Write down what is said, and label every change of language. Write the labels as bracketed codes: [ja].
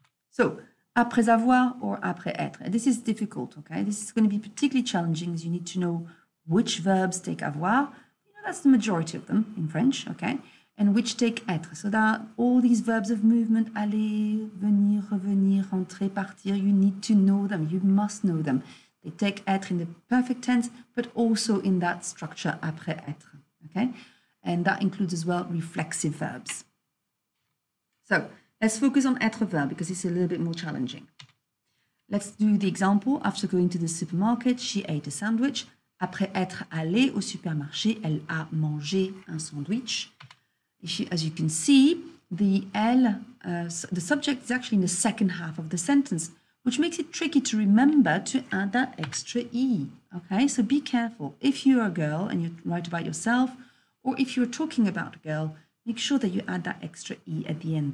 [fr] So après avoir or après être. [en] This is difficult, okay? This is going to be particularly challenging as you need to know which verbs take avoir. You know, that's the majority of them in French, okay? And which take être. So that all these verbs of movement, aller, venir, revenir, rentrer, partir, you need to know them, you must know them. They take être in the perfect tense, but also in that structure après être. Okay? And that includes as well reflexive verbs. So let's focus on être verb because it's a little bit more challenging. Let's do the example. After going to the supermarket, she ate a sandwich. [fr] Après être allée au supermarché, elle a mangé un sandwich. [en] As you can see, the subject is actually in the second half of the sentence, which makes it tricky to remember to add that extra E, okay? So be careful. If you're a girl and you write about yourself, or if you're talking about a girl, make sure that you add that extra E at the end.